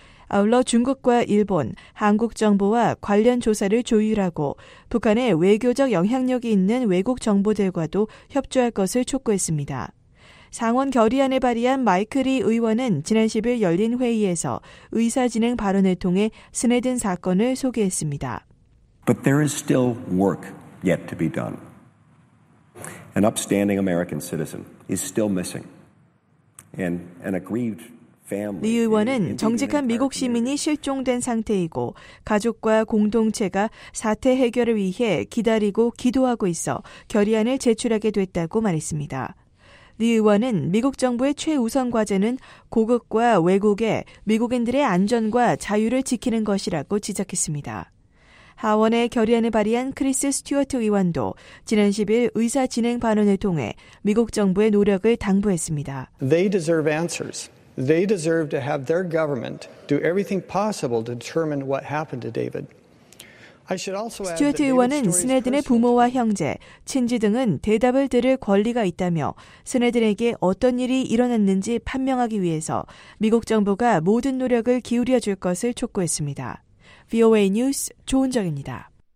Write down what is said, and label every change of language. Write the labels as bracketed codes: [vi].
[ko] 아울러 중국과 일본, 한국 정부와 관련 조사를 조율하고 북한의 외교적 영향력이 있는 외국 정보들과도 협조할 것을 촉구했습니다. 상원 결의안을 발의한 마이클 리 의원은 지난 10일 열린 회의에서 의사진행 발언을 통해 스네든 사건을 소개했습니다. [en] But there is still work yet to be done. An upstanding American citizen is still missing. And an aggrieved [ko] 리 의원은 정직한 미국 시민이 실종된 상태이고 가족과 공동체가 사태 해결을 위해 기다리고 기도하고 있어 결의안을 제출하게 됐다고 말했습니다. 리 의원은 미국 정부의 최우선 과제는 고국과 외국에 미국인들의 안전과 자유를 지키는 것이라고 지적했습니다. 하원의 결의안을 발의한 크리스 스튜어트 의원도 지난 10일 의사 진행 발언을 통해 미국 정부의 노력을 당부했습니다. [en] They deserve answers. They deserve to have their government do everything possible to determine what happened to David. I should also add that [ko] 스튜어트 의원은 스네든의 부모와 형제, 친지 등은 대답을 들을 권리가 있다며 스네든에게 어떤 일이 일어났는지 판명하기 위해서 미국 정부가 모든 노력을 기울여 줄 것을 촉구했습니다. VOA 뉴스 조은정입니다.